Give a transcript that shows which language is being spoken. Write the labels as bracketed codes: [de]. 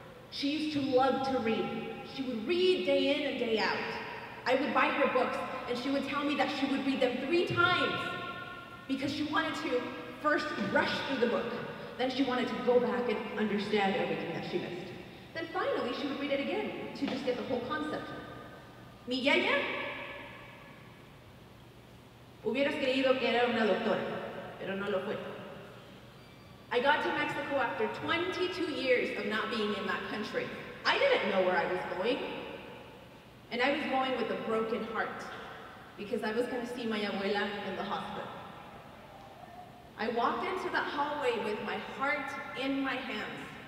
[en] She used to love to read. She would read day in and day out. I would buy her books, and she would tell me that she would read them three times because she wanted to first rush through the book, then she wanted to go back and understand everything that she missed. Then finally, she would read it again to just get the whole concept. [es] Mi yaya, hubieras creído que era una doctora, pero no lo fue. [en] I got to Mexico after 22 years of not being in that country. I didn't know where I was going. And I was going with a broken heart because I was going to see my abuela in the hospital. I walked into that hallway with my heart in my hands.